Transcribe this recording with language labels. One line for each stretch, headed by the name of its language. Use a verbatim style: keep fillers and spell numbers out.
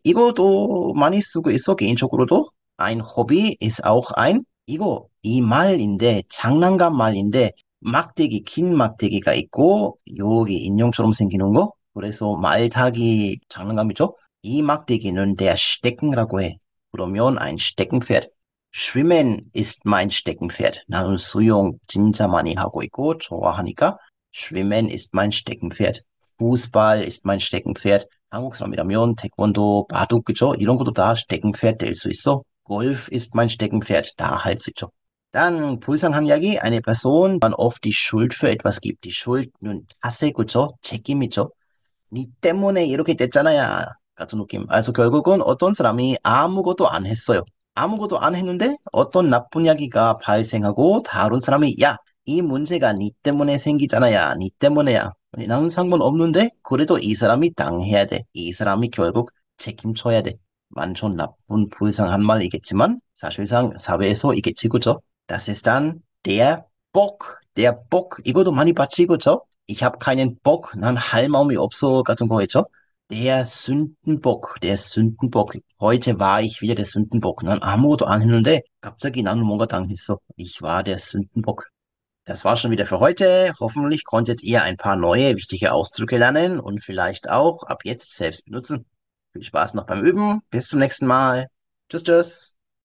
Korean: 이것도 많이 쓰고 있어, 개인적으로도.
German: Ein Hobby ist auch ein,
Korean: 이거, 이 말인데, 장난감 말인데, 막대기, 긴 막대기가 있고, 여기 인형처럼 생기는 거. 그래서 말타기 장난감이죠. 이 막대기는 der Stecken이라고 해.
German: 그러면 ein Steckenpferd. Schwimmen ist mein Steckenpferd.
Korean: 나는 수영 진짜 많이 하고 있고, 좋아하니까.
German: Schwimmen ist mein Steckenpferd. Fußball ist mein Steckenpferd.
Korean: 한국 사람이라면 태권도, 바둑, 그죠? 이런 것도 다 Steckenpferd 될 수 있어.
German: Golf ist mein Steckenpferd.
Korean: 다 할 수 있죠. Dann 불쌍한 이야기.
German: Eine Person, man oft die Schuld für etwas gibt. Die Schuld, nun,
Korean: 탓에, 그죠? 책임이죠. 니 때문에 이렇게 됐잖아요. 같은 느낌. 그래서 결국은 어떤 사람이 아무것도 안 했어요. 아무것도 안 했는데 어떤 나쁜 이야기가 발생하고 다른 사람이 야, 이 문제가 니 때문에 생기잖아요. 니 때문에야. 나는 상관없는데 그래도 이 사람이 당해야 돼. 이 사람이 결국 책임져야 돼. 완전 나쁜 불쌍한 말이겠지만 사실상 사회에서 이게 지구죠.
German: Das ist dann der Bock, der Bock.
Korean: 이것도 많이 봤지, 그죠?
German: Ich habe keinen Bock,
Korean: 난 할 마음이 없어 같은 거 있죠?
German: Der Sündenbock, der Sündenbock. Heute war ich wieder der Sündenbock.
Korean: 난 아무것도 안 했는데 갑자기 나는 뭔가 당했어.
German: Ich war der Sündenbock. Das war schon wieder für heute. Hoffentlich konntet ihr ein paar neue wichtige Ausdrücke lernen und vielleicht auch ab jetzt selbst benutzen. Viel Spaß noch beim Üben. Bis zum nächsten Mal. Tschüss, tschüss.